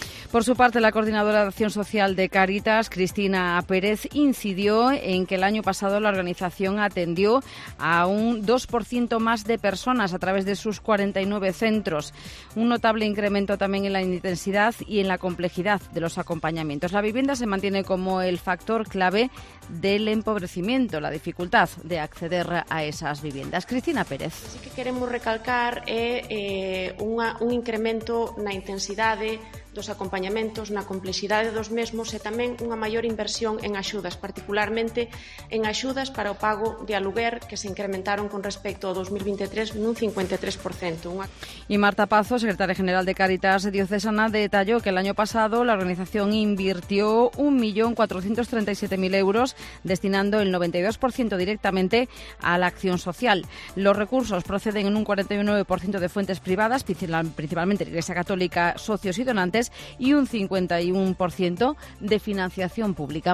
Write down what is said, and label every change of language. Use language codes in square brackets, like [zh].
[es] Por su parte, la coordinadora de Acción Social de Cáritas, Cristina Pérez, incidió en que el año pasado la organización atendió a un 2% más de personas a través de sus 49 centros. Un notable incremento también en la intensidad y en la complejidad de los acompañamientos. La vivienda se mantiene como el factor clave del empobrecimiento, la dificultad de acceder a esas viviendas. Cristina Pérez. [gl] Sí que queremos recalcar un incremento na intensidade dos acompañamentos, na complexidade dos mesmos e tamén unha maior inversión en axudas, particularmente en axudas para o pago de aluguer, que se incrementaron con respecto ao 2023 nun 53%. [es] E Marta Pazo, secretaria general de Cáritas Diocesana, [gl] detallou [es] que el año pasado la organización invirtió 1.437.000 euros, destinando el 92% directamente a la acción social. Los recursos proceden en un 49% de fuentes privadas, principalmente la Iglesia Católica, socios y donantes, y un 51% de financiación pública.